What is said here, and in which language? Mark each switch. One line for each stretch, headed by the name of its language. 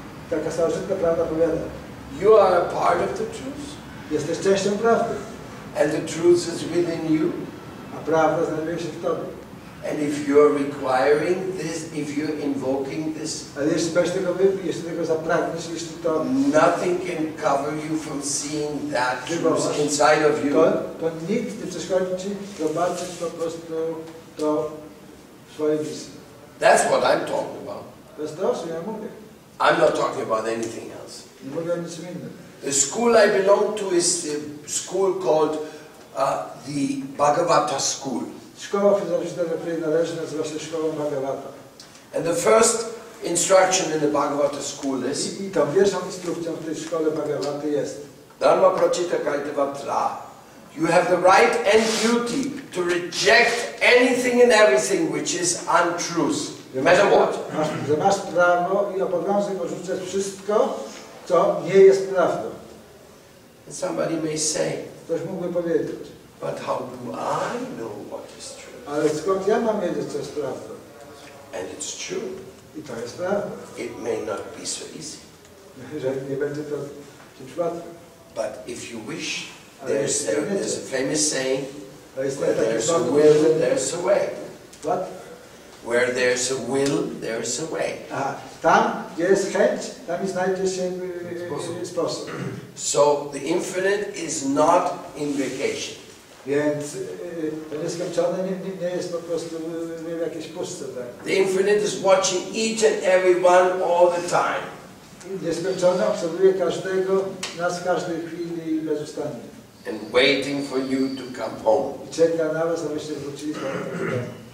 Polish: taka starożytna prawda powiada,
English: you are a part of the truth.
Polish: Jesteś częścią prawdy.
English: And the truth is within you.
Polish: A prawda znajduje się w tobie.
English: And if you're requiring this, if you're invoking this, nothing can cover you from seeing that truth inside of you.
Polish: To nic nie przeszkodzi ci zobaczyć po prostu to swoje wizje.
English: That's what I'm talking about.
Polish: To jest to, co ja mówię.
English: I'm not talking about anything else.
Polish: Nie mówię o niczym innym.
English: The school I belong to is the school called the Bhagavata school.
Polish: Szkoła filozoficzna, do której należy, nazywa się szkołą Bhagavata.
English: And the first instruction in the Bhagavata school is.
Polish: I tą pierwszą instrukcją w tej szkole Bhagavata jest.
Sanskrit: Dharma prachita kaitava tra.
English: You have the right and duty to reject anything and everything which is untruth. No matter what.
Polish: Masz prawo i obowiązek odrzucać wszystko, co nie jest prawdą.
English: And somebody may say.
Polish: Ktoś mógłby powiedzieć.
English: But how do I know what is true?
Polish: Ale skąd ja mam wiedzieć, co jest prawdą?
English: And it's true.
Polish: I to jest prawda.
English: It may not be so easy.
Polish: Że nie będzie to czymś łatwym.
English: But if you wish, there's a famous saying, where there's a will, there's a way. What? Where there's a will, there's a way.
Polish: Tam, gdzie jest chęć, tam i znajdzie się sposób.
English: So the infinite is not in vacation.
Polish: Więc to nieskończone nie jest po prostu nie w jakiejś pustce, tak?
English: The infinite is watching each and everyone all the time.
Polish: Nieskończone obserwuje każdego, nas w każdej chwili i bez ustania.
English: And waiting for you to come home.
Polish: I czeka na was, abyście wrócili do domu.